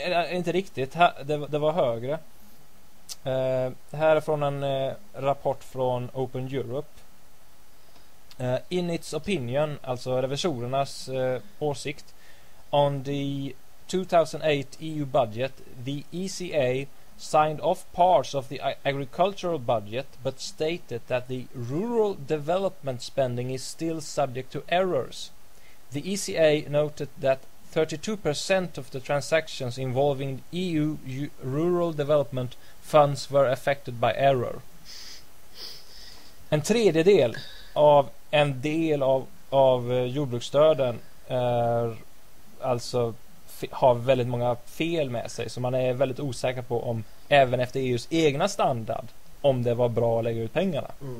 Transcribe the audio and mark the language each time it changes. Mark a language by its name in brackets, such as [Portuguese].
[Swedish] Inte riktigt. Det var högre. Här är från en rapport från Open Europe. [English] In its opinion, [Swedish] alltså revisorernas åsikt, [English] on the 2008 EU budget, the ECA signed off parts of the agricultural budget but stated that the rural development spending is still subject to errors. The ECA noted that 32% of the transactions involving EU rural development funds were affected by error. [Swedish] En tredjedel av en del av jordbruksstöden är alltså har väldigt många fel med sig, så man är väldigt osäker på om även efter EUs egna standard om det var bra att lägga ut pengarna.